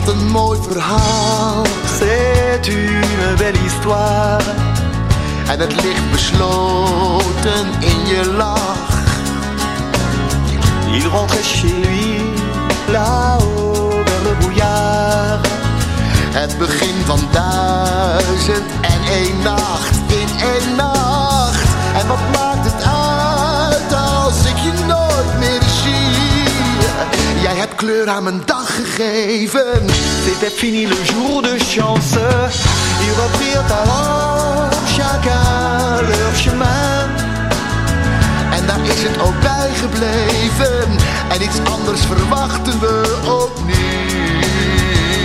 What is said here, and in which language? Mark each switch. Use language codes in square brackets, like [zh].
[nl] Mooi verhaal, [fr] c'est une belle histoire. [nl] En het ligt besloten in je lach. [fr] Il rentrait chez lui, là-haut vers le brouillard. [nl] Het begin van duizend en één nacht, in één nacht. En wat maakt het uit als ik je nooit meer zie? Jij hebt kleur aan mijn dag gegeven. [fr] C'était fini le jour de chance. Ils reprirent alors chacun leur chemin. [nl] En daar is het ook bij gebleven. En iets anders verwachten we opnieuw.